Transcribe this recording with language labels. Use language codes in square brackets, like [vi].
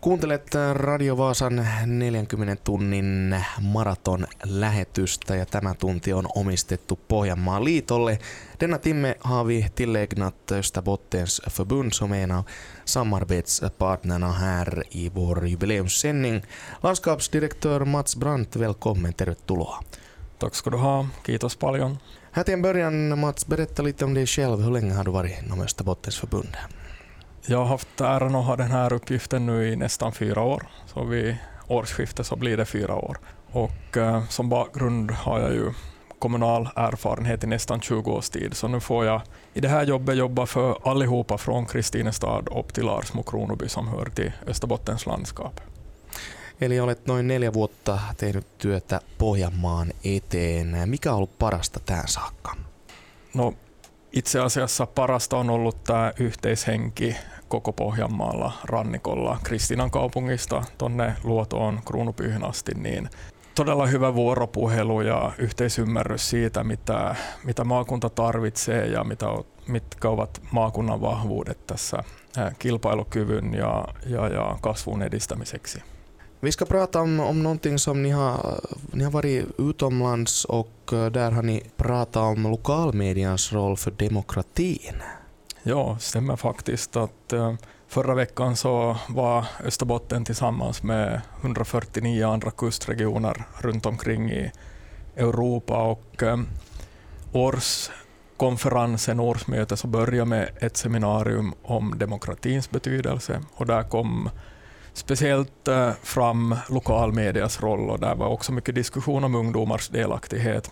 [fi] Kuuntelet Radio Vaasan 40 tunnin maraton lähetystä ja tämä tunti on omistettu Pohjanmaan liitolle. [sv] Denna timme har vi tillägnat Österbottens förbund som är en av samarbetspartnerna här i vår jubileumssändning. Landskapsdirektör Mats Brandt, välkommen, [fi] tervetuloa. [sv] Tack ska du ha, [fi] kiitos paljon. [sv] Här till en början, Mats, berätta lite om dig själv. Hur länge har du varit inom Österbottens förbund? Jag har haft äran att ha den här uppgiften nu i nästan 4 år. Så vid årsskiftet så blir det 4 år. Och som bakgrund har jag ju kommunal erfarenhet i nästan 20 års tid. Så nu får jag i det här jobbet jobba för allihopa från Kristinestad upp till Larsmo Kronoby som hör till Österbottens landskap. [fi] Eli olet noin 4 vuotta tehnyt työtä Pohjanmaan eteen. Mikä on ollut parasta tähän saakka? No, itse asiassa parasta on ollut tämä yhteishenki koko Pohjanmaalla rannikolla Kristiinan kaupungista tuonne Luotoon Kruunupyyhyn asti. Niin todella hyvä vuoropuhelu ja yhteisymmärrys siitä, mitä maakunta tarvitsee ja mitkä ovat maakunnan vahvuudet tässä kilpailukyvyn ja kasvun edistämiseksi. [sv] Vi ska prata om någonting som ni har varit utomlands och där har ni pratat om lokalmedians roll för demokratin. Ja, stämmer faktiskt att förra veckan så var Österbotten tillsammans med 149 andra kustregioner runt omkring i Europa och årskonferensen, årsmötet så började med ett seminarium om demokratins betydelse och där kom speciellt fram lokalmedias roll och där var också mycket diskussion om ungdomars delaktighet.